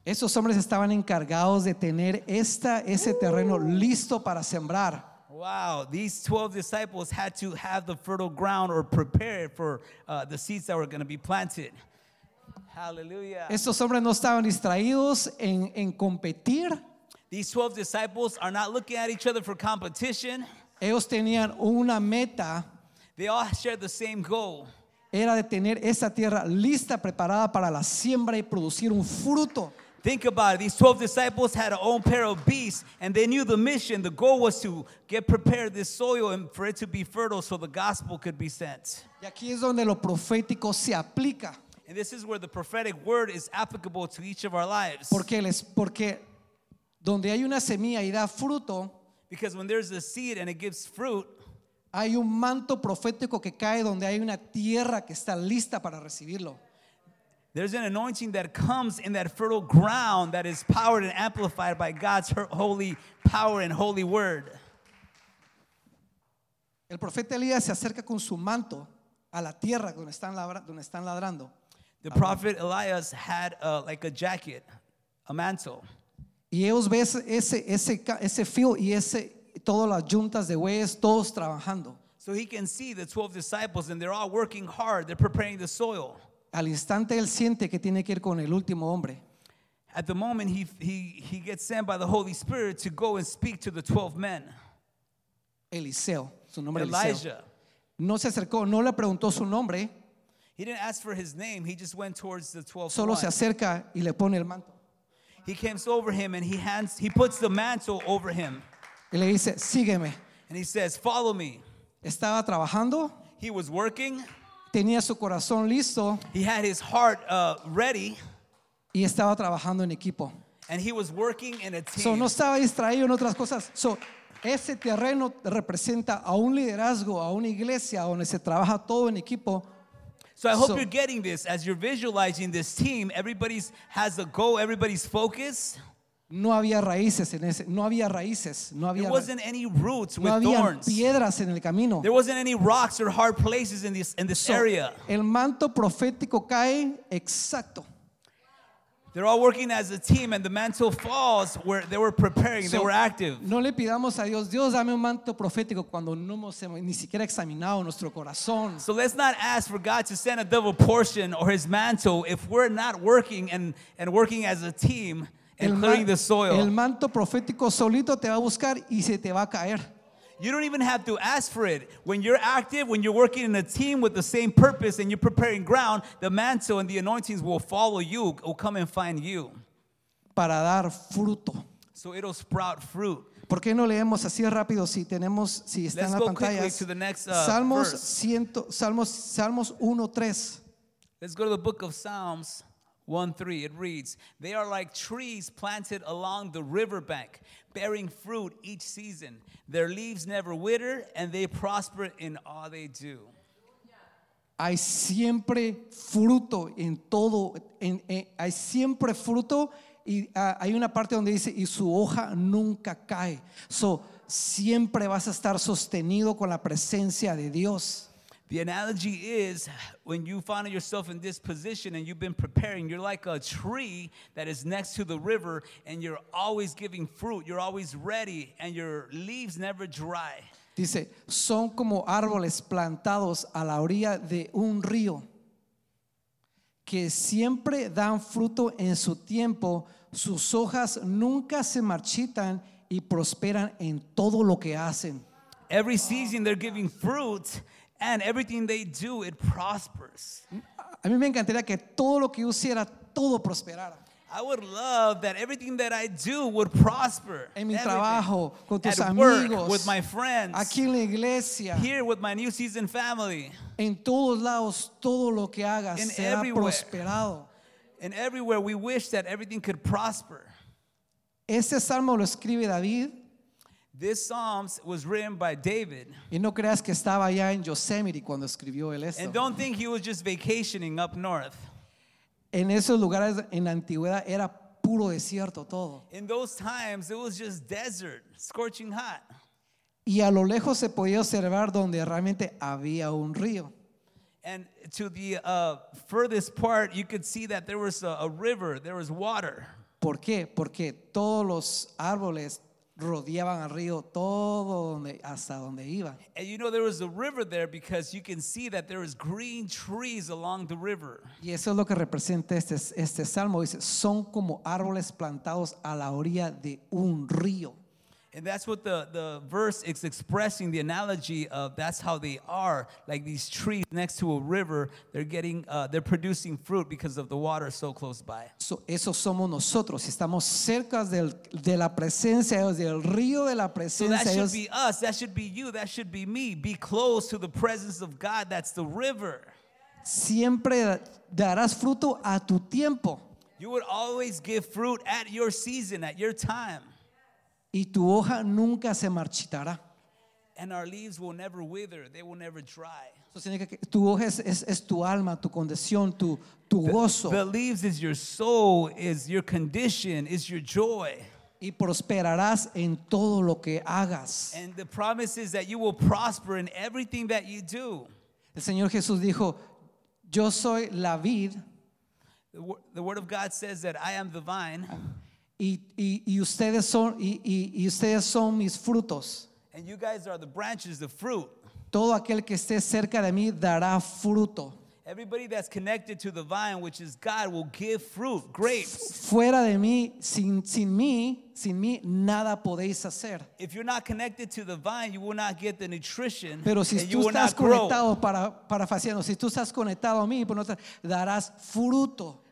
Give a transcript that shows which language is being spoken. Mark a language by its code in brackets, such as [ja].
[es] Esos hombres estaban encargados de tener ese terreno listo para sembrar. [en] Wow, these 12 disciples had to have the fertile ground or prepare it for the seeds that were going to be planted. Hallelujah. [es] Estos hombres no estaban distraídos en competir. [en] These 12 disciples are not looking at each other for competition. [es] Ellos tenían una meta. [en] They all shared the same goal. [es] Era de tener esa tierra lista, preparada para la siembra y producir un fruto. [en] Think about it. These 12 disciples had their own pair of beasts, and they knew the mission. The goal was to get prepared this soil and for it to be fertile so the gospel could be sent. [es] Y aquí es donde lo profético se aplica. [en] And this is where the prophetic word is applicable to each of our lives. [es] Porque donde hay una semilla y da fruto, [en] because when there's a seed and it gives fruit, [es] hay un manto profético que cae donde hay una tierra que está lista para recibirlo. [en] There's an anointing that comes in that fertile ground that is powered and amplified by God's holy power and holy word. [es] El profeta Elías se acerca con su manto a la tierra donde están ladrando. [en] The prophet Elias had like a jacket, a mantle. [es] Y ellos ven ese field y todas las yuntas de bueyes, todos trabajando. [en] So he can see the 12 disciples and they're all working hard. They're preparing the soil. [es] Al instante él siente que tiene que ir con el último hombre. [en] At the moment he gets sent by the Holy Spirit to go and speak to the 12 men. [es] Eliseo, su nombre es [en] Elijah. [es] Eliseo. No se acercó, no le preguntó su nombre. [en] He didn't ask for his name, he just went towards the 12 [es] Solo se acerca y le pone el manto. [en] He comes over him and he puts the mantle over him. [es] Y le dice, sígueme. [en] And he says, follow me. [es] Estaba trabajando. [en] He was working. [es] Tenía su corazón listo. [en] He had his heart ready. [es] Y estaba trabajando en equipo. [en] And he was working in a team. [es] So no estaba distraído en otras cosas. So ese terreno representa a un liderazgo, a una iglesia donde se trabaja todo en equipo. [en] So I hope you're getting this as you're visualizing this team. Everybody has a goal. Everybody's focus. [es] No había raíces en ese. No había raíces. No había. [en] There wasn't any roots with [es] No había piedras en el camino. [en] There wasn't any rocks or hard places in this area. [es] El manto profético cae exacto. [en] They're all working as a team, and the mantle falls where they were preparing. They were active. [es] No le pidamos a Dios, Dios dame un manto profético cuando no hemos ni siquiera examinado nuestro corazón. [en] So let's not ask for God to send a double portion or His mantle if we're not working and working as a team. And clearing the soil. [es] El manto profético solito te va a buscar y se te va a caer. [en] You don't even have to ask for it. When you're active, when you're working in a team with the same purpose and you're preparing ground, the mantle and the anointings will follow you, will come and find you. [es] Para dar fruto. [en] So it'll sprout fruit. [es] ¿Por qué no leemos así rápido si tenemos, si está [en] Let's [es] en la pantalla? [en] Let's go quickly to the next [es] Salmos 100, Salmos 1:3. [en] Let's go to the book of Psalms 1:3. It reads, "They are like trees planted along the riverbank, bearing fruit each season. Their leaves never wither, and they prosper in all they do." [es] Hay siempre fruto en todo. Hay siempre fruto. Y hay una parte donde dice, y su hoja nunca cae. So, siempre vas a estar sostenido con la presencia de Dios. [en] The analogy is, when you find yourself in this position and you've been preparing, you're like a tree that is next to the river and you're always giving fruit, you're always ready and your leaves never dry. [es] Dice, son como árboles plantados a la orilla de un río, que siempre dan fruto en su tiempo, sus hojas nunca se marchitan y prosperan en todo lo que hacen. [en] Every season they're giving fruit, and everything they do, it prospers. [es] A mí me encantaría que todo lo que yo hiciera, todo prosperara. [en] I would love that everything that I do would prosper. [es] En mi trabajo, con tus [en] At [es] amigos, [en] work, with my friends, [es] aquí en la iglesia, [en] here with my new season family. [es] En todos lados, todo lo que hagas será prosperado. [en] And everywhere we wish that everything could prosper. [es] Este salmo lo escribe David. [en] This psalm was written by David. [es] Y no creas que estaba allá en Yosemite cuando escribió él esto. [en] And don't think he was just vacationing up north. [es] En esos lugares en la antigüedad era puro desierto todo. [en] In those times it was just desert, scorching hot. [es] Y a lo lejos se podía observar donde realmente había un río. [en] And to the furthest part, you could see that there was a river, there was water. [es] ¿Por qué? Porque todos los árboles rodeaban al río todo donde, hasta donde iba. [en] And you know there was a river there because you can see that there was green trees along the river. [es] Y eso es lo que representa este salmo. Dice, son como árboles plantados a la orilla de un río. [en] And that's what the verse is expressing, the analogy of that's how they are, like these trees next to a river, they're producing fruit because of the water so close by. [es] So eso somos nosotros, estamos cerca de la presencia de Dios, del río de la presencia de Dios. [en] So that should be us, that should be you, that should be me, be close to the presence of God, that's the river. [es] Siempre darás fruto a tu tiempo. [en] You would always give fruit at your season, at your time. [es] Y tu hoja nunca se marchitará. [en] And our leaves will never wither, they will never dry. [es] Tu hoja es tu alma, tu condición, tu gozo. [en] The leaves is your soul, is your condition, is your joy. [es] Y prosperarás en todo lo que hagas. [en] And the promise is that you will prosper in everything that you do. [es] El Señor Jesús dijo, yo soy la vid. [en] The word of God says that I am the vine. [es] Y ustedes son mis frutos. [en] And you guys are the branches, the fruit. [es] Todo aquel que esté cerca de mí dará fruto. [en] Everybody that's connected to the vine, which is God, will give fruit, grapes. [es] Fuera de mí, sin mí, nada podéis hacer. [en] If you're not connected to the vine, you will not get the nutrition. [es] Pero si tú estás conectado para faciendo, si tú estás conectado a mí, darás fruto.